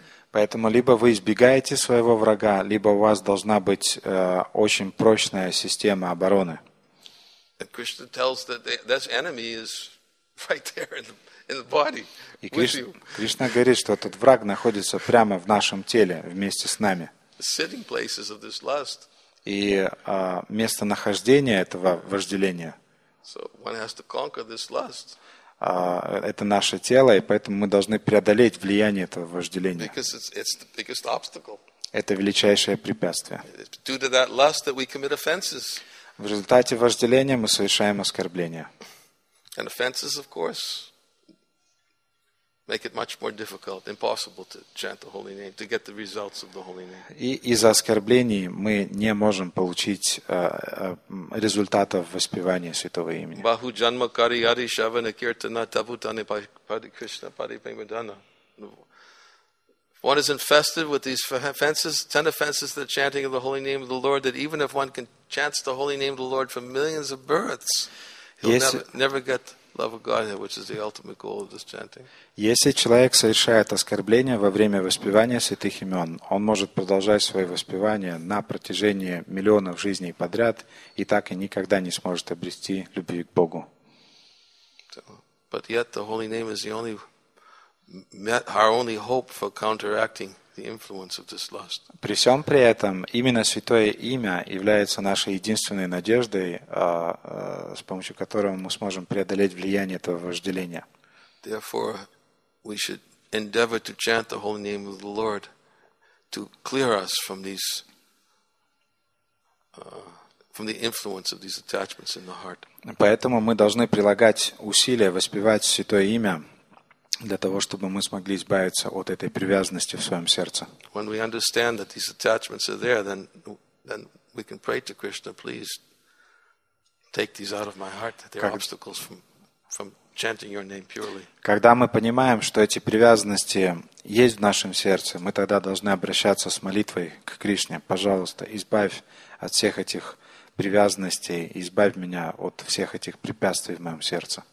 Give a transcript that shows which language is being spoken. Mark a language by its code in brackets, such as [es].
[ru] Поэтому либо вы избегаете своего врага, либо у вас должна быть очень прочная система обороны. [en] And Krishna tells that this enemy is right there in the body with you. [ru] Кришна говорит, что этот враг находится прямо в нашем теле вместе с нами. [en] Sitting places of this lust. [ru] И местонахождение этого вожделения. [en] So one has to conquer this lust. [ru] Это наше тело, и поэтому мы должны преодолеть влияние этого вожделения. [en] Because it's the biggest obstacle. [ru] Это величайшее препятствие. [en] It's due to that lust that we commit offenses. [ru] В результате вожделения мы совершаем оскорбления. [en] And offenses, of course, make it much more difficult, impossible to chant the Holy Name, to get the results of the Holy Name. [ru] И из-за оскорблений мы не можем получить результатов воспевания Святого Имени. [sa] Баху джанма кари ари шавана киртана табутане пари кришна пари премадана. [en] One is infested with these offenses, 10 offenses, the chanting of the holy name of the Lord, that even if one can chant the holy name of the Lord for millions of births, he'll never get love of Godhead, which is the ultimate goal of this chanting. [ru] Если человек совершает оскорбление во время воспевания святых имен, он может продолжать свое воспевание на протяжении миллионов жизней подряд и так и никогда не сможет обрести любви к Богу. [en] But yet the holy name is the only met our only hope for counteracting the influence of this lust. [ru] При всем при этом, именно Святое Имя является нашей единственной надеждой, с помощью которого мы сможем преодолеть влияние этого вожделения. [en] Therefore, we should endeavor to chant the holy name of the Lord to clear us from these from the influence of these attachments in the heart. [ru] Поэтому мы должны прилагать усилия, воспевать Святое Имя, для того, чтобы мы смогли избавиться от этой привязанности в своем сердце. [en] When we understand that these attachments are there, then we can pray to Krishna, please take these out of my heart, that they're obstacles from chanting your name purely. [ru] Когда мы понимаем, что эти привязанности есть в нашем сердце, мы тогда должны обращаться с молитвой к Кришне: пожалуйста, избавь от всех этих привязанностей, избавь меня от всех этих препятствий в моем сердце.